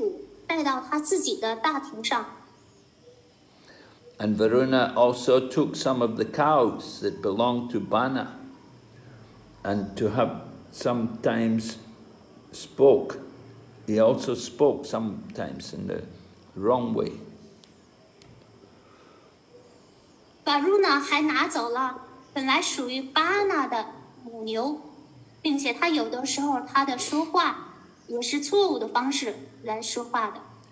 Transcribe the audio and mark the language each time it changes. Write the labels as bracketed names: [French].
[Chinese] 水神瓦鲁呢就命令将南达玛拉逮捕，带到他自己的大庭上。 [English] And Varuna also took some of the cows that belonged to Bana and to have sometimes spoke. He also spoke sometimes in the wrong way. [Chinese] Varuna 还拿走了本来属于巴纳的母牛，并且他有的时候他的说话也是错误的方式来说话的。